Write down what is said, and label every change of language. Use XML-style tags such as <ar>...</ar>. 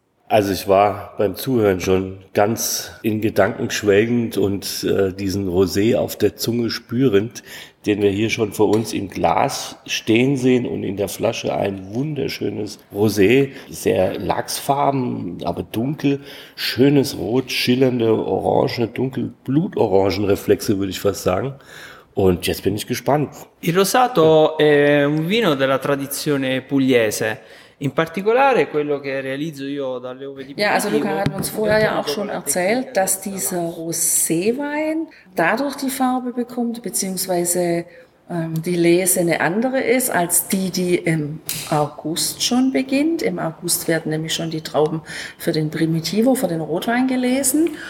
<de>Also ich war beim Zuhören schon ganz in Gedanken schwelgend und diesen Rosé auf der Zunge spürend, den wir hier schon vor uns im Glas stehen sehen und in der Flasche ein wunderschönes Rosé, sehr lachsfarben, aber dunkel, schönes Rot, schillernde Orange, dunkel Blutorangenreflexe würde ich fast sagen. Und jetzt bin ich gespannt.</de> <it>Il rosato è un vino della tradizione pugliese. In particolare quello che realizzo io dalle uve di Primitivo.</it> <de>Ja, also Luca hat uns vorher ja auch schon erzählt, dass dieser Roséwein dadurch die Farbe bekommt, beziehungsweise die Lese eine andere ist, als die, die im August schon beginnt. Im August werden nämlich schon die Trauben für den Primitivo, für den Rotwein gelesen.</de>